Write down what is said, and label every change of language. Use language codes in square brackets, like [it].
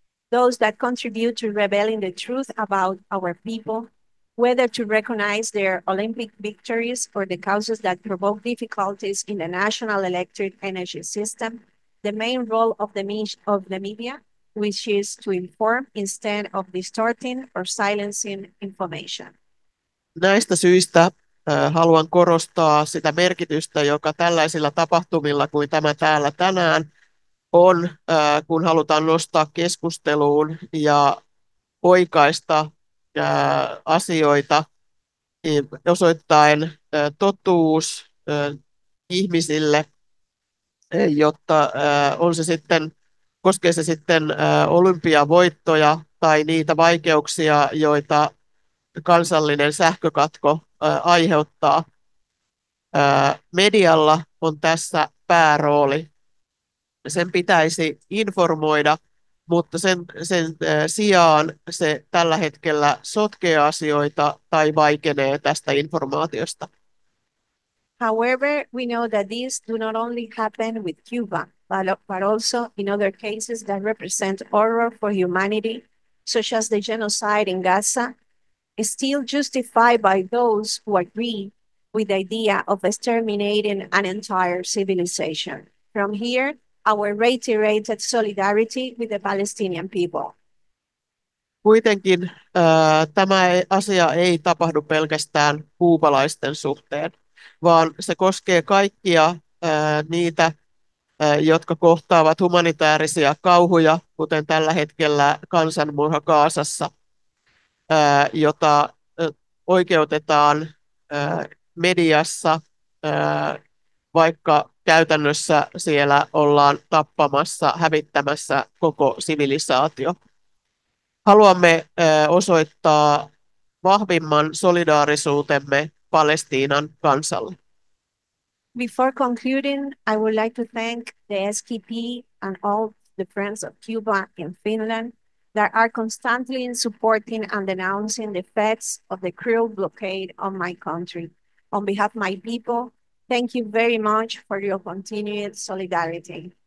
[en] Those that contribute to revealing the truth about our people, whether to recognize their Olympic victories or the causes that provoke difficulties in the national electric energy system, the main role of the media, which is to inform instead of distorting or silencing information. [fi] Näistä syistä haluan korostaa sitä merkitystä, joka tällaisilla tapahtumilla kuin tämä täällä tänään on, kun halutaan nostaa keskusteluun ja oikaista asioita osoittaen totuus ihmisille, jotta on se sitten, koskee se sitten olympiavoittoja tai niitä vaikeuksia, joita kansallinen sähkökatko aiheuttaa. Medialla on tässä päärooli. Sen pitäisi informoida, mutta sen sijaan se tällä hetkellä sotkee asioita tai vaikenee tästä informaatiosta. [en] However, we know that these do not only happen with Cuba, but also in other cases that represent horror for humanity, such as the genocide in Gaza, is still justified by those who agree with the idea of exterminating an entire civilization. From here, our reiterated solidarity with the Palestinian people. [fi] Kuitenkin tämä asia ei tapahdu pelkästään kuubalaisten suhteen, vaan se koskee kaikkia niitä, jotka kohtaavat humanitaarisia kauhuja, kuten tällä hetkellä kansanmurha Gazassa, jota oikeutetaan mediassa vaikka käytännössä siellä ollaan tappamassa, hävittämässä koko sivilisaatio. Haluamme osoittaa vahvimman solidaarisuutemme Palestiinan kansalle. [en] Before concluding, I would like to thank the SKP and all the friends of Cuba and Finland that are constantly supporting and denouncing the effects of the cruel blockade on my country. On behalf of my people, thank you very much for your continued solidarity.